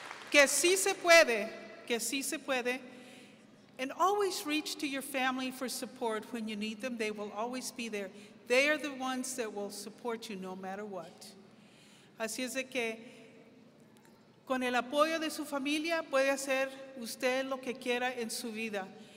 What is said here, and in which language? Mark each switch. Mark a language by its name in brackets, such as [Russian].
[Spanish] Que sí se puede, que sí se puede. [English] And always reach to your family for support when you need them. They will always be there. They are the ones that will support you no matter what. [Spanish] Así es de que, con el apoyo de su familia, puede hacer usted lo que quiera en su vida.